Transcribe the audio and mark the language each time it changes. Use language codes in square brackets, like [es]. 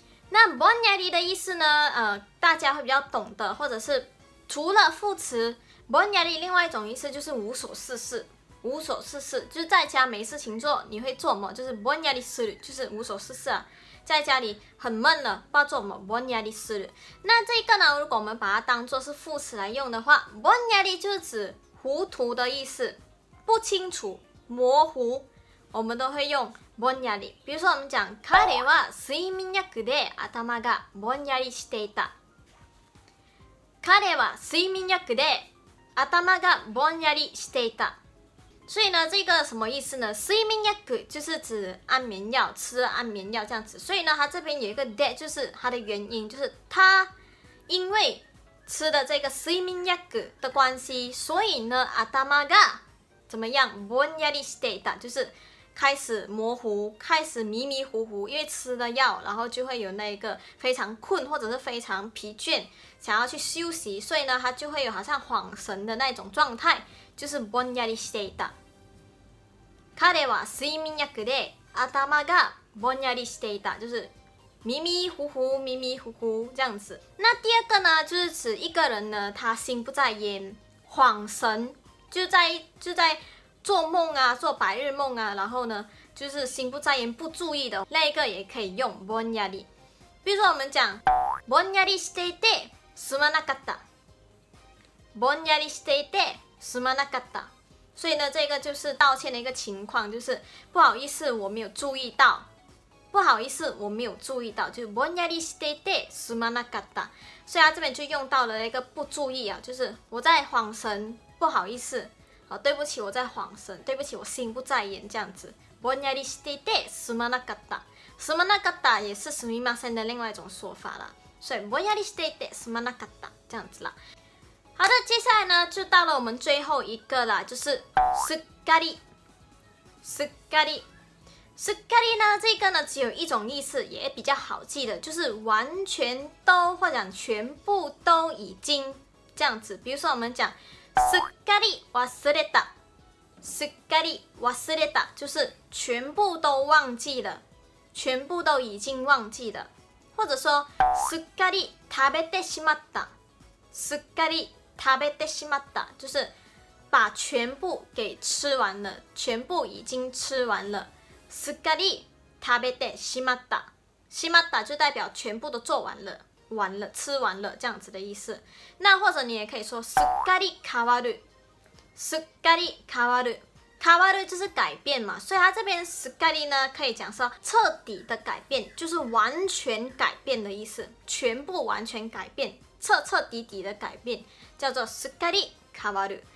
[zh] 那ぼんやり的意思呢大家会比较懂的，或者是除了副词ぼんやり，另外一种意思就是无所事事，无所事事，就是在家没事情做，你会做么，就是 [ja] ぼんやりする， [zh] 就是无所事事啊，在家里很闷了，不知道做么，ぼんやりする。那这个呢如果我们把它当作是副词来用的话，ぼんやり就是指糊涂的意思，不清楚，模糊，我们都会用ぼんやり。比如说我们讲 [ja] 彼は睡眠薬で頭がぼんやりしていた，彼は睡眠薬で頭がぼんやりしていた。 [zh] 所以呢这个什么意思呢，睡眠薬就是指安眠药，吃安眠药这样子。所以呢他这边有一个で，就是他的原因，就是他因为吃的这个睡眠薬的关系，所以呢頭が怎么样 [ja] ぼんやりしていた， [zh] 就是开始模糊，开始迷迷糊糊，因为吃了药然后就会有那个非常困或者是非常疲倦，想要去休息，所以呢他就会有好像恍神的那种状态，就是ぼんやりしていた。 [ja] 彼は睡眠薬で頭がぼんやりしていた， [zh] 就是迷迷糊糊，迷迷糊糊这样子。那第二个呢就是指一个人呢他心不在焉，恍神，就在做梦啊，做白日梦啊，然后呢就是心不在焉，不注意的，那一个也可以用ぼんやり。比如说我们讲 [ja] ぼんやりしていてすまなかった，ぼんやりしていてすまなかった。 [zh] 所以呢这个就是道歉的一个情况，就是不好意思我没有注意到，不好意思我没有注意到，就是 [ja] ぼんやりしていてすまなかった。 [zh] 所以他这边就用到了一个不注意啊，就是我在恍神，不好意思，好，对不起，我在恍神，对不起，我心不在焉，这样子。 [ja] ぼんやりしていてすまなかった， [zh] すまなかった也是すみません的另外一种说法啦。所以 [ja] ぼんやりしていてすまなかった， [zh] 这样子啦。好的，接下来呢就到了我们最后一个啦，就是すっかり，すっかり。すっかり呢这个呢只有一种意思，也比较好记的，就是完全都，或者讲全部都已经，这样子。比如说我们讲 [ja] すっかり忘れた， [zh] すっかり忘れた，就是全部都忘记了，全部都已经忘记了。或者说 [ja] すっかり食べてしまった， [zh] すっかり食べてしまった，就是把全部给吃完了，全部已经吃完了。 [ja] すっかり食べてしまった。 [zh] しまった就代表全部都做完了，完了，吃完了这样子的意思。那或者你也可以说 [ja] すっかり変わる。すっかり変わる。 [zh] 変わる就是改变嘛，所以它这边すっかり呢可以讲说彻底的改变，就是完全改变的意思，全部完全改变，彻彻底底的改变，叫做すっかり変わる。